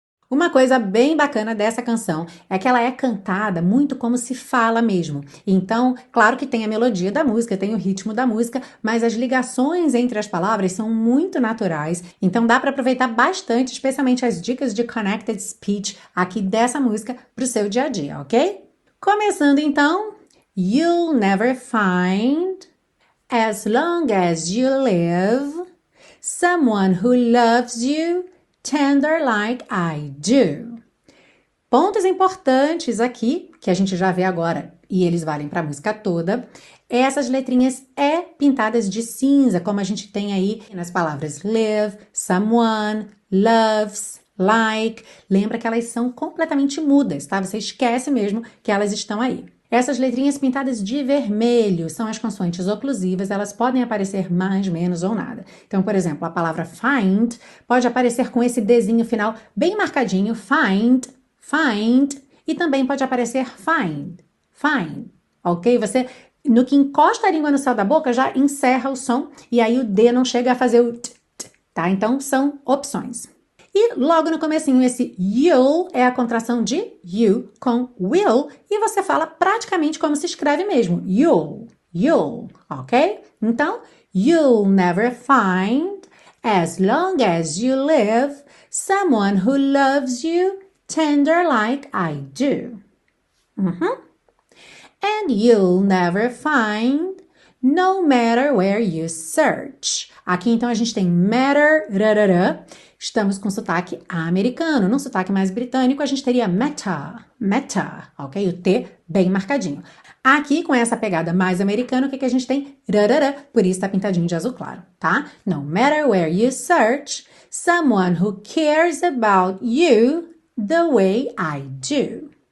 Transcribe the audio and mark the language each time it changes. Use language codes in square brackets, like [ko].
[pt] Uma coisa bem bacana dessa canção é que ela é cantada muito como se fala mesmo. Então, claro que tem a melodia da música, tem o ritmo da música, mas as ligações entre as palavras são muito naturais. Então, dá para aproveitar bastante, especialmente as dicas de connected speech aqui dessa música para o seu dia a dia, ok? Começando então, [en] you'll never find, as long as you live, someone who loves you tender like I do. [pt] Pontos importantes aqui, que a gente já vê agora e eles valem para a música toda, essas letrinhas E pintadas de cinza, como a gente tem aí nas palavras live, someone, loves, like. Lembra que elas são completamente mudas, tá? Você esquece mesmo que elas estão aí. Essas letrinhas pintadas de vermelho são as consoantes oclusivas, elas podem aparecer mais, menos ou nada. Então, por exemplo, a palavra find pode aparecer com esse Dzinho final bem marcadinho, find, find, e também pode aparecer find, find, ok? Você, no que encosta a língua no céu da boca, já encerra o som e aí o D não chega a fazer o t, t, tá? Então, são opções. E logo no comecinho, esse you'll é a contração de you com will, e você fala praticamente como se escreve mesmo, you'll, you'll, ok? Então, [en] you'll never find, as long as you live, someone who loves you tender like I do. Uh-huh. And you'll never find, no matter where you search. [pt] Aqui então a gente tem matter, rarará. Estamos com sotaque americano, num sotaque mais britânico a gente teria matter, matter, ok? O T bem marcadinho. Aqui com essa pegada mais americana, o que a gente tem? Rarará, por isso tá pintadinho de azul claro, tá? [en] No matter where you search, someone who cares about you the way I do.